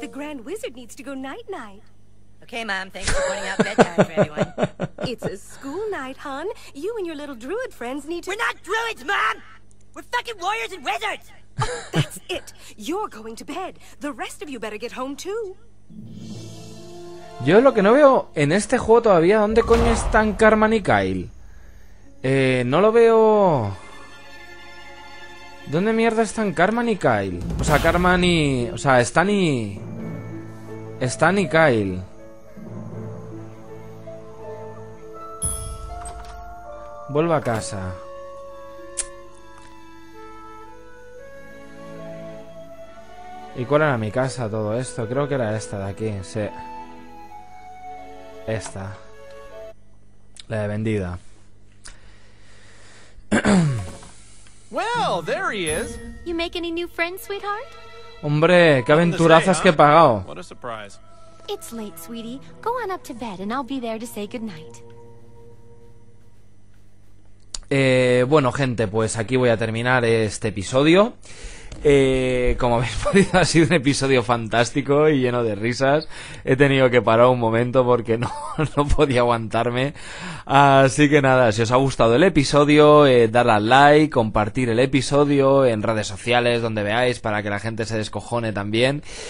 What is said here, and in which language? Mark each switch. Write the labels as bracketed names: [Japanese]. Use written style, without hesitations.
[English] The Grand Wizard needs to go night-night. Okay, Mom, thanks for pointing out bedtime for everyone. It's a school night, hon. You and your little druid friends need to... We're not druids, Mom! We're fucking warriors and wizards! Oh, that's it. You're going to bed. The rest of you better get home, too. [Spanish] Yo lo que no veo en este juego todavía, ¿dónde coño están Carmen y Kyle? No lo veo. ¿Dónde mierda están Carmen y Kyle? O sea, Carmen y... O sea, Stan y Kyle. Vuelvo a casa. ¿Y cuál era mi casa, todo esto? Creo que era esta de aquí, sí. Esta. La de vendida. [English] Well, there he is. You make any new friends, sweetheart? [Spanish] Hombre, qué aventurazas [English] day, huh? [Spanish] Que he pagado. [English] What a surprise. It's late, sweetie. Go on up to bed and I'll be there to say goodnight. [Spanish] Bueno, gente, pues aquí voy a terminar este episodio. Como habéis podido, ha sido un episodio fantástico y lleno de risas. He tenido que parar un momento porque no podía aguantarme. Así que nada, si os ha gustado el episodio, darle al like, compartir el episodio en redes sociales donde veáis para que la gente se descojone también.